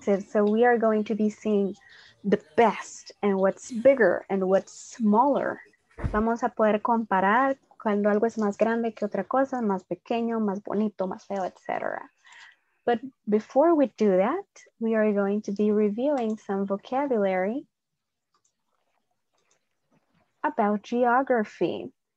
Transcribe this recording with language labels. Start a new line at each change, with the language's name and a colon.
English: So we are going to be seeing the best and what's bigger and what's smaller.
Spanish: Vamos a poder comparar cuando algo es más grande que otra cosa, más pequeño, más bonito, más feo, etc.
English: But before we do that, we are going to be reviewing some vocabulary about geography.